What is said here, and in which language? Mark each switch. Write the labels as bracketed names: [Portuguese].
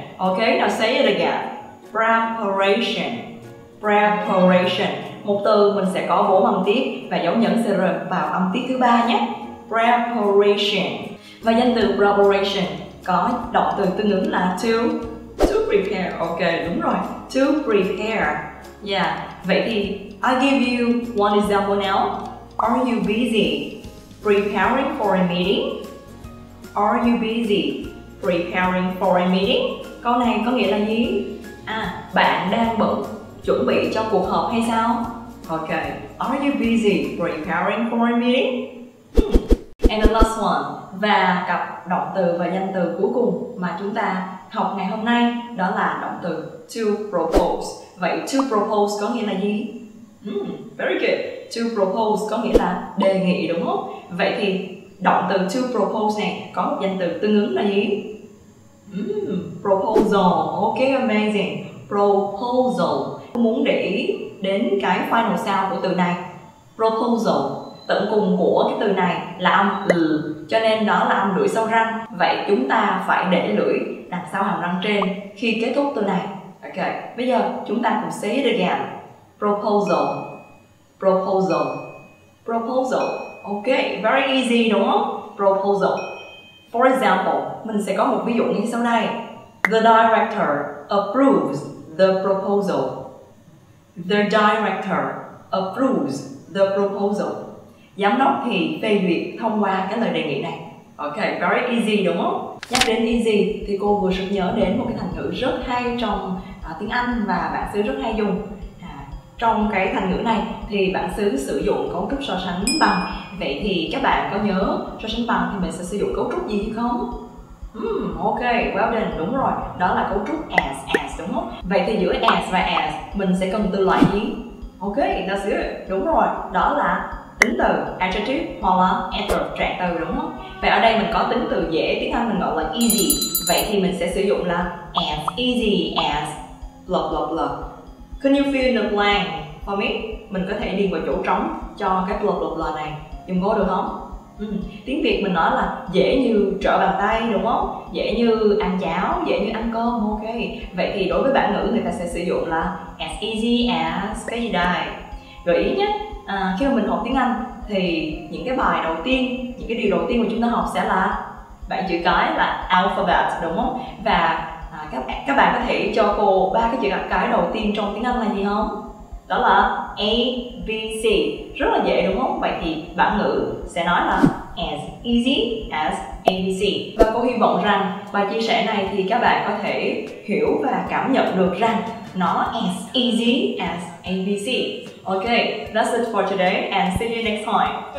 [English] Ok, now say it again. Preparation. [Vietnamese] Preparation. Một từ mình sẽ có bốn âm tiết và dấu nhấn CR vào âm tiết thứ ba nhé. Preparation. Và danh từ preparation có động từ tương ứng là to prepare. [English] Ok, [Vietnamese] đúng rồi. [English] To prepare. Yeah. [Vietnamese] Vậy thì [English] I give you one example now. Are you busy preparing for a meeting? Are you busy preparing for a meeting? [Vietnamese] Câu này có nghĩa là gì? bạn đang bận chuẩn bị cho cuộc họp hay sao? [English] Ok, are you busy preparing for a meeting? And the last one, [Vietnamese] và cặp động từ và danh từ cuối cùng mà chúng ta học ngày hôm nay, đó là động từ to propose. Vậy to propose có nghĩa là gì? [English] Very good. [Vietnamese] To propose có nghĩa là đề nghị, đúng không? Vậy thì động từ to propose này có một danh từ tương ứng là gì? [English] Proposal. Ok, amazing. Proposal. [Vietnamese] Muốn để ý đến cái [English] final sound [Vietnamese] của từ này, proposal, tận cùng của cái từ này là âm l, cho nên nó là âm lưỡi sau răng. Vậy chúng ta phải để lưỡi đằng sau hàm răng trên khi kết thúc từ này. [English] Ok, [Vietnamese] bây giờ chúng ta cùng [English] say it again. Proposal. Proposal. Proposal. Ok, very easy [Vietnamese] đúng không? [English] Proposal. For example, [Vietnamese] mình sẽ có một ví dụ như sau đây. [English] The director approves the proposal. The director approves the proposal. [Vietnamese] Giám đốc thì phê duyệt thông qua cái lời đề nghị này. [English] Ok, very easy [Vietnamese] đúng không? Nhắc đến easy thì cô vừa sực nhớ đến một cái thành ngữ rất hay trong tiếng Anh mà bản xứ rất hay dùng. Trong cái thành ngữ này thì bản xứ sử dụng cấu trúc so sánh bằng. Vậy thì các bạn có nhớ so sánh bằng thì mình sẽ sử dụng cấu trúc gì không? [English] Ok, well done, [Vietnamese] đúng rồi. Đó là cấu trúc as, đúng không? Vậy thì giữa as và as mình sẽ cần từ loại gì? [English] Ok, that's good. [Vietnamese] Đúng rồi, đó là tính từ, adjective, hoặc là adverb, trạng từ, đúng không? Vậy ở đây mình có tính từ dễ, tiếng Anh mình gọi là easy. Vậy thì mình sẽ sử dụng là [English] as easy as blah blah blah. Can you fill in the blank for me? [Vietnamese] Mình có thể điền vào chỗ trống cho cái blah blah blah này giùm cô được không? Tiếng Việt mình nói là dễ như trở bàn tay, đúng không? Dễ như ăn cháo, dễ như ăn cơm, ok. Vậy thì đối với bản ngữ người ta sẽ sử dụng là as easy as cái gì đây? Gợi ý nhé. Khi mà mình học tiếng Anh thì những cái bài đầu tiên, những cái điều đầu tiên mà chúng ta học sẽ là bảng chữ cái, là alphabet, đúng không? Và các bạn có thể cho cô ba cái chữ cái đầu tiên trong tiếng Anh là gì không? Đó là A, B, C. Rất là dễ đúng không? Vậy thì bản ngữ sẽ nói là [English] as easy as A, B, C. [Vietnamese] Và cô hy vọng rằng bài chia sẻ này thì các bạn có thể hiểu và cảm nhận được rằng nó [English] as easy as A, B, C. Ok, that's it for today and see you next time.